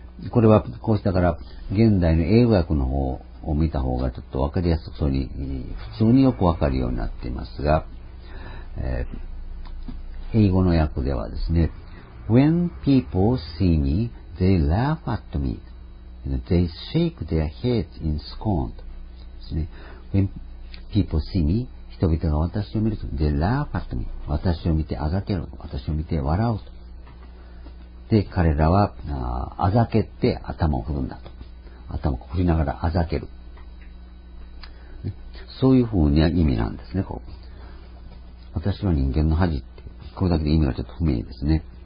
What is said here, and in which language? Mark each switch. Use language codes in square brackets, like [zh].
[ja] これはこうしたから現代の英語訳の方を見た方がちょっと分かりやすそうに、普通によく分かるようになっていますが、英語の訳ではですね、 [en] When people see me, they laugh at meThey shake their heads in scorn. [ja] ですね。 [en] When people see me, [ja] 人々が私を見ると、 [en] they laugh at me. [ja] 私を見てあざけろ。私を見て笑うと。で、彼らは あざけて頭を振るんだと。頭を振りながらあざける。そういうふうな意味なんですね、こう。私は人間の恥って。これだけで意味がちょっと不明ですね。